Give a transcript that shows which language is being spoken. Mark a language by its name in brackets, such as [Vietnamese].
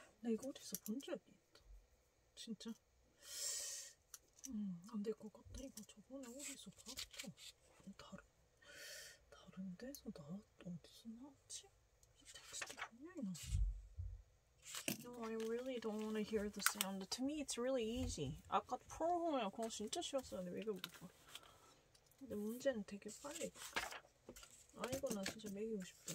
[Korean] 이거 어디서 본 적이 있다. 진짜? 진짜. 근데 이거 같다. 이거 저번에 어디서 봤어? 다른 데서 나왔던 어디서 나왔지? 이 텍스트 뭐냐? [English] No, I really don't want to hear the sound. To me, it's really easy. [Korean] 아까 프로그램 그거 진짜 쉬웠었는데 왜 그걸 못 봐? 근데 문제는 되게 빨리. 아 이거 나 진짜 매기고 싶다.